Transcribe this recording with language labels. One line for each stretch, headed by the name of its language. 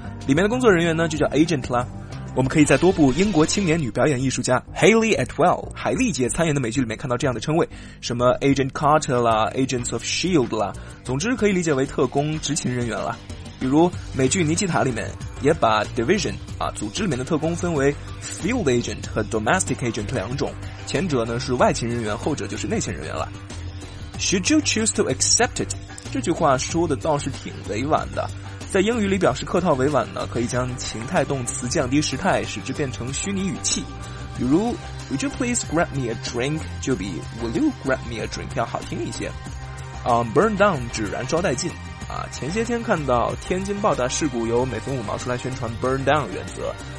Chinese: 里面的工作人员呢，就叫 agent 啦。我们可以在多部英国青年女表演艺术家 Hayley Atwell 海莉姐参演的美剧里面看到这样的称谓，什么 Agent Carter 啦 ，Agents of Shield 啦，总之可以理解为特工执勤人员啦。比如美剧《尼基塔》里面也把 division 啊组织里面的特工分为 field agent 和 domestic agent 两种。前者呢是外勤人员，后者就是内勤人员了。
English: Should you choose to accept it?
Chinese: 这句话说的倒是挺委婉的。在英语里表示客套委婉呢，可以将情态动词降低时态，使之变成虚拟语气。比如
English: Would you please grab me a drink?
Chinese: 就比
English: Will you grab me a drink?
Chinese: 要好听一些。 Burn down 指燃烧殆尽。前些天看到天津暴打事故，由每逢五毛出来宣传 burn down 原则。